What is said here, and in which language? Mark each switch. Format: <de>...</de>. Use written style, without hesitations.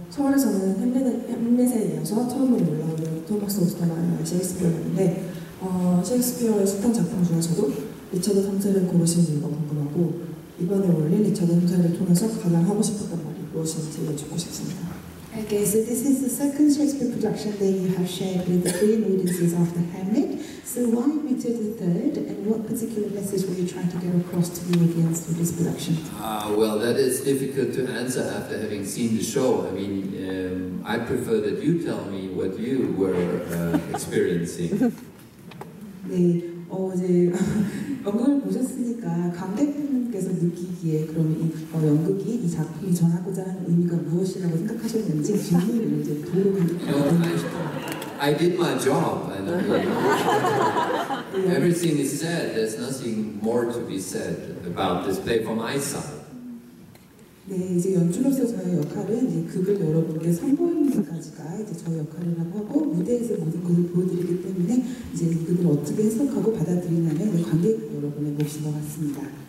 <ko>서울에서는 햄릿에 이어서 처음으로 올라오는 토마스 오스터마이어의 셰익스피어였는데 셰익스피어의 숱한 작품 중에서도 리처드 3세를 고르신 이유가 궁금하고 이번에 올린 리처드 3세를 통해서 가장 하고 싶었던 말이 무엇인지 여쭙고 싶습니다.</ko> <en>Okay, so this is the second Shakespeare production that you have shared with the three audiences of the Hamlet. So why Richard III, and what particular message were you trying to get across to the audience through this production? Well, that is difficult to answer after having seen the show. I mean, I prefer that you tell me what you were experiencing.</en> <ko>네, 어제 연극을 보셨으니까 감독님께서 느끼기에 그러면 이 연극이 이 작품이 전하고자 하는 의미가 무엇이라고 생각하셨는지 질문을 이제 돌려보겠습니다.</ko> <en>I did my job. And, everything is said. There's nothing more to be said about this play from my side.</en> <ko>네, 이제 연출로서 저의 역할은 이제 극을 여러분께 선보이는까지가 이제 저의 역할이라고 하고 무대에서 모든 것을 보여드리기 때문에 이제 극을 어떻게 해석하고 받아들이냐는 관객 여러분의 몫인 것 같습니다.</ko>